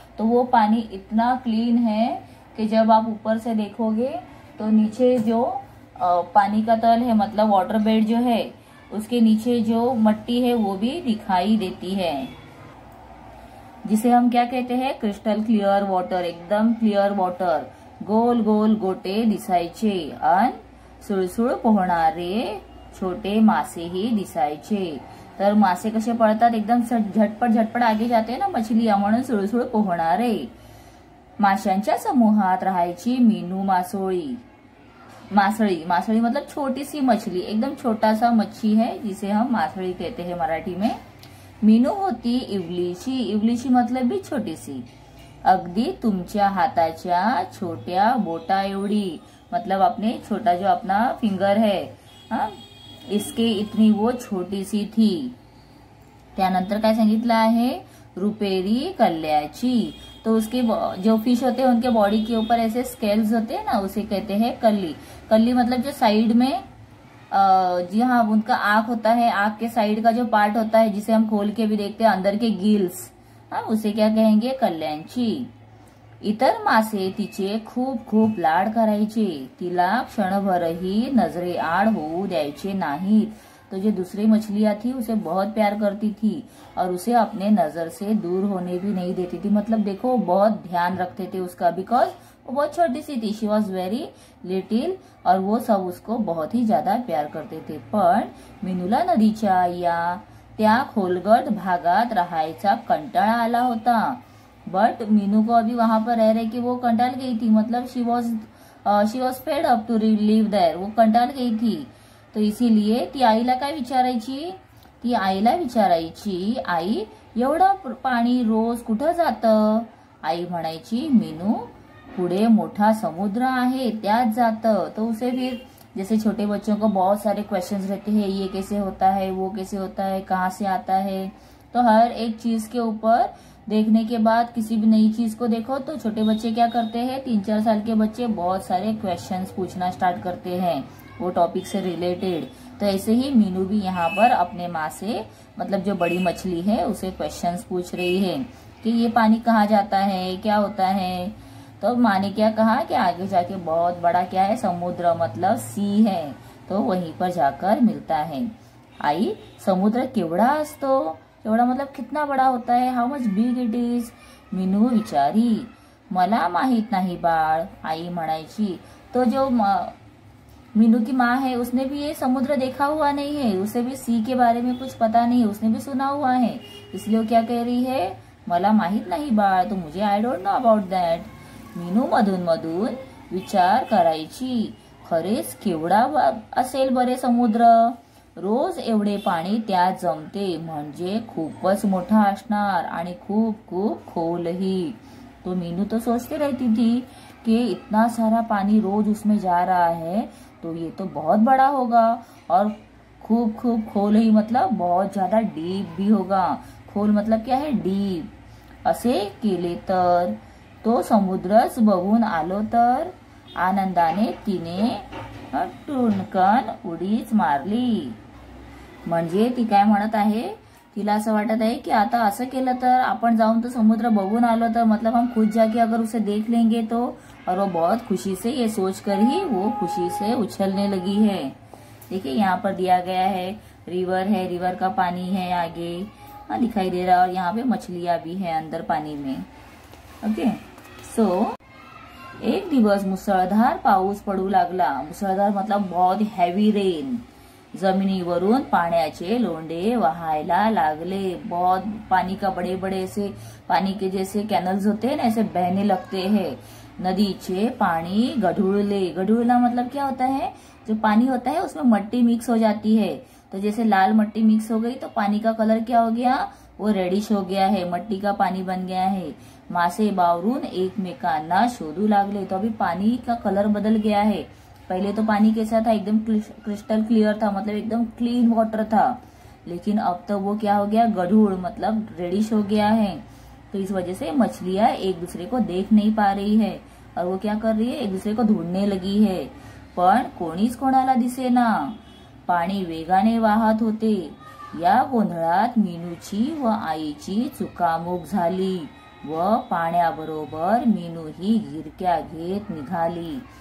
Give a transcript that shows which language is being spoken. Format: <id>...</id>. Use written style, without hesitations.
<hi>तो वो पानी इतना क्लीन है कि जब आप ऊपर से देखोगे तो नीचे जो पानी का तल है, मतलब वाटर बेड जो है, उसके नीचे जो मट्टी है वो भी दिखाई देती है, जिसे हम क्या कहते हैं? क्रिस्टल क्लियर वाटर, एकदम क्लियर वाटर।</hi> <mr>गोल गोल गोटे दिसायचे, अन सुळसुळ पोहणारे छोटे मासे ही दिसायचे। तर मासे कसे पळतात?</mr> <hi>एकदम झटपट झटपट आगे जाते ना मछलियां,</hi> <mr>म्हणून सुळसुळ पोहणारे। माशांच्या समूहात राहायची मीनू मासोळी।</mr> <hi>मासळी, मासळी मतलब छोटी सी मछली, एकदम छोटा सा मच्छी है, जिसे हम मासळी कहते हैं मराठी में।</hi> <mr>मीनू होती इवलीची।</mr> <hi>इवलीची मतलब भी छोटी सी,</hi> <mr>अगदी तुमच्या हाताच्या छोट्या बोटा एवढी,</mr> <hi>मतलब अपने छोटा जो अपना फिंगर है हाँ, इसके इतनी वो छोटी सी थी।</hi> <mr>त्यानंतर काय सांगितलं आहे? रुपेरी कल्ल्याची।</mr> <hi>तो उसके जो फिश होते हैं उनके बॉडी के ऊपर ऐसे स्केल्स होते हैं ना, उसे कहते हैं कल्ली। कल्ली मतलब जो साइड में जी हाँ, उनका आँख होता है, आँख के साइड का जो पार्ट होता है जिसे हम खोल के भी देखते हैं, अंदर के गिल्स हाँ, उसे क्या कहेंगे?</hi> <mr>कल्याणची। इतर मासे तिचे खूप खूप लाड करायचे, तिला क्षणभरही नजरे आड़ होऊ द्यायचे नाही।</mr> <hi>तो जो दूसरी मछलियां थी उसे बहुत प्यार करती थी और उसे अपने नजर से दूर होने भी नहीं देती थी, मतलब देखो बहुत ध्यान रखते थे उसका, बिकॉज वो बहुत छोटी सी थी,</hi> <en>she was very little,</en> <hi>और वो सब उसको बहुत ही ज्यादा प्यार करते थे।</hi> <mr>पण मिनुला नदीच्या या त्या खोलगट भागात राहायचा कंटाळा आला होता।</mr> <hi>बट मीनू को अभी वहां पर रह रहे कि वो कंटाल गई थी, मतलब</hi> <en>she was fed up to live there,</en> <hi>वो कंटाल गई थी। तो इसीलिए</hi> <mr>ती आईला काय विचारायची? ती आईला विचारायची, आई एवढं पाणी रोज कुठं जातं? आई म्हणायची, मीनू पुढे मोठा समुद्र आहे त्यात जातं।</mr> <hi>तो उसे फिर जैसे छोटे बच्चों को बहुत सारे क्वेश्चंस रहते हैं, ये कैसे होता है, वो कैसे होता है, कहाँ से आता है, तो हर एक चीज के ऊपर देखने के बाद किसी भी नई चीज को देखो तो छोटे बच्चे क्या करते हैं? 3-4 साल के बच्चे बहुत सारे क्वेश्चंस पूछना स्टार्ट करते हैं वो टॉपिक से रिलेटेड। तो ऐसे ही मीनू भी यहाँ पर अपने माँ से, मतलब जो बड़ी मछली है, उसे क्वेश्चंस पूछ रही है कि ये पानी कहाँ जाता है, क्या होता है। तो माँ ने क्या कहा कि आगे जाके बहुत बड़ा क्या है, समुद्र मतलब सी है, तो वहीं पर जाकर मिलता है।</hi> <mr>आई समुद्र केवड़ा अस्तो, एवढा</mr> <hi>मतलब कितना बड़ा होता है,</hi> <en>how much big it is,</en> <mr>Meenu विचारी। मला माहित नाही बाळ, आई म्हणायची।</mr> <hi>तो जो मीनू की माँ है उसने भी ये समुद्र देखा हुआ नहीं है, उसे भी सी के बारे में कुछ पता नहीं है, उसने भी सुना हुआ है, इसलिए वो क्या कह रही है?</hi> <mr>मला माहित नाही बाळ,</mr> <hi>तो मुझे</hi> <en>I don't know about that.</en> <mr>Meenu मधून मधून विचार करायची, खरेच केवड़ा असेल बरे समुद्र, रोज एवढे पाणी त्यात जमते, म्हणजे खूपच मोठा असणार आणि खूप खूप खोलही।</mr> <hi>तो मीनू तो सोचते रहती थी कि इतना सारा पानी रोज उसमें जा रहा है तो ये तो बहुत बड़ा होगा और</hi> <mr>खूब खूब खोल ही,</mr> <hi>मतलब बहुत ज्यादा डीप भी होगा। खोल मतलब क्या है? डीप।</hi> <mr>असे केले तर, तो समुद्रच बघून आलो तर, आनंदाने तिने टुनकन उडीच मारली। म्हणजे ती काय म्हणत आहे? तिला असं वाटत आहे की आता असं केलं तर, आपण जाऊन तो समुद्र बघून आलो तर,</mr> <hi>मतलब हम खुद जाके अगर उसे देख लेंगे तो। और वो बहुत खुशी से ये सोच कर ही वो खुशी से उछलने लगी है। देखिए यहाँ पर दिया गया है, रिवर है, रिवर का पानी है आगे दिखाई दे रहा है, और यहाँ पे मछलियां भी है अंदर पानी में।</hi> <en>okay so</en> <mr>एक दिवस मुसळधार पाऊस पडू लागला।</mr> <hi>मुसळधार मतलब बहुत हैवी रेन।</hi> <mr>जमिनीवरून पाण्याचे लोंडे वहायला लागले।</mr> <hi>बहुत पानी का बड़े बड़े से पानी के जैसे कैनल्स होते हैं ना, ऐसे बहने लगते हैं।</hi> <mr>नदीचे पानी गढ़ूळले।</mr> <hi>गढ़ूळना मतलब क्या होता है, जो पानी होता है उसमें मट्टी मिक्स हो जाती है। तो जैसे लाल मट्टी मिक्स हो गई तो पानी का कलर क्या हो गया, वो रेडिश हो गया है, मट्टी का पानी बन गया है।</hi> <mr>मासे बावरून एकमेकांना शोधू लागले।</mr> <hi>तो अभी पानी का कलर बदल गया है, पहले तो पानी कैसा था, एकदम क्रिस्टल क्लियर था, मतलब एकदम क्लीन वाटर था, लेकिन अब तो वो क्या हो गया, गढ़ूळ मतलब रेडिश हो गया है। तो इस वजह से मछलियां एक दूसरे को देख नहीं पा रही है, और वो क्या कर रही है, एक दूसरे को ढूंढने लगी है,</hi> <mr>पण कोणीच कोणाला दिसे ना। पाणी वेगाने वाहत होते। या गोंधळात मीनूची व आईची चुकामुक झाली, व पाण्याबरोबर मीनू ही गिरक्या घेत निघाली।</mr>